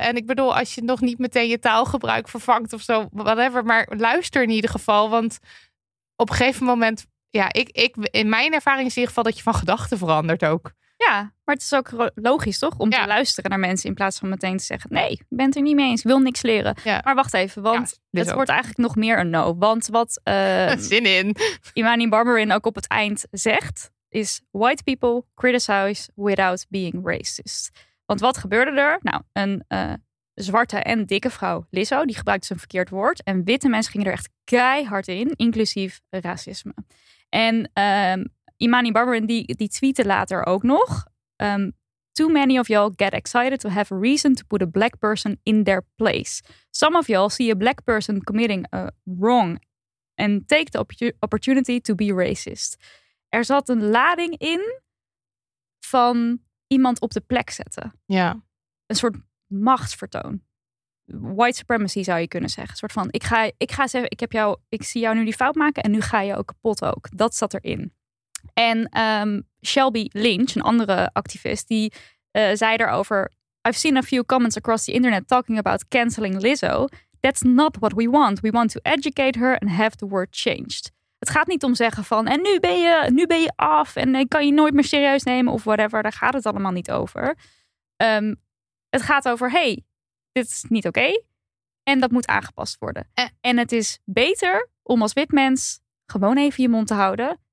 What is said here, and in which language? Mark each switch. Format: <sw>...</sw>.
<nl>En ik bedoel, als je nog niet meteen je taalgebruik vervangt of zo, whatever, maar luister in ieder geval, want op een gegeven moment, ja, ik in mijn ervaring is in ieder geval dat je van gedachten verandert ook. Ja, maar het is ook logisch, toch? Om te luisteren naar mensen in plaats van meteen te zeggen... nee, ik ben het er niet mee eens, ik wil niks leren. Ja. Maar wacht even, want ja, het wordt eigenlijk nog meer een no. Want wat zin in. Imani Barberin ook op het eind zegt...</nl> <en>is white people criticize without being racist.</en> <nl>Want wat gebeurde er? Nou, een zwarte en dikke vrouw, Lizzo, die gebruikte een verkeerd woord. En witte mensen gingen er echt keihard in, inclusief racisme. En Imani Barberin, die tweette later ook nog.</nl> <en>Too many of y'all get excited to have a reason to put a black person in their place. Some of y'all see a black person committing a wrong and take the opportunity to be racist.</en> <nl>Er zat een lading in van iemand op de plek zetten. Ja. Een soort machtsvertoon. White supremacy zou je kunnen zeggen. Een soort van, ik ga zeggen, ik zie jou nu die fout maken en nu ga je ook kapot ook. Dat zat erin. En Shelby Lynch, een andere activist, die zei erover... I've seen a few comments across the internet talking about canceling Lizzo. That's not what we want. We want to educate her and have the word changed. Het gaat niet om zeggen van, en nu ben je af en kan je nooit meer serieus nemen of whatever. Daar gaat het allemaal niet over. Het gaat over, hey, dit is niet oké. En dat moet aangepast worden. En het is beter om als wit mens gewoon even je mond te houden.</nl>